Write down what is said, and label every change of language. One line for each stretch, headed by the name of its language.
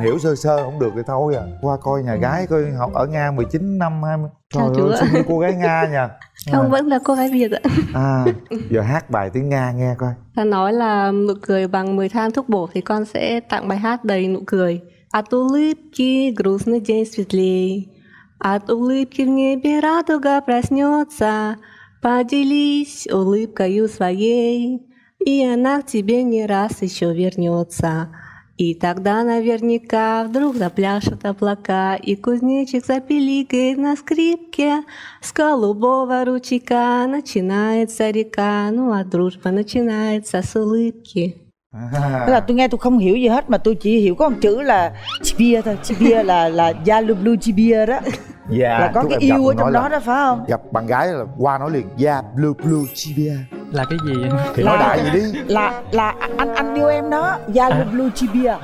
Vietnamese: Hiểu sơ sơ không được thì thôi à. Qua coi nhà gái coi học ở Nga 19 năm 20. Trời ơi, xin như cô gái Nga nha. Không, vẫn là cô gái Việt ạ. À, giờ hát bài tiếng Nga nghe coi. Ta nói là nụ cười bằng 10 than thuốc bổ thì con sẽ tặng bài hát đầy nụ cười.
Russian: A tulipki grusnyye den svetlee. От улыбки в небе радуга проснется, поделись улыбкою своей, и она к тебе не раз еще вернется. И тогда наверняка вдруг запляшут облака, и кузнечик запеликает на скрипке, с голубого ручейка начинается река, ну а дружба начинается с улыбки.
Vietnamese: Tức là tôi nghe tôi không hiểu gì hết, mà tôi chỉ hiểu có một chữ là chibia thôi. Chibia là da lưu lưu chibia đó. Yeah, là có cái yêu ở trong đó đó phải không? Gặp bạn gái là qua nói liền da lưu lưu chibia. Là cái gì vậy? Thì nói đại gì đi. Là anh yêu em đó. Da lưu lưu chibia.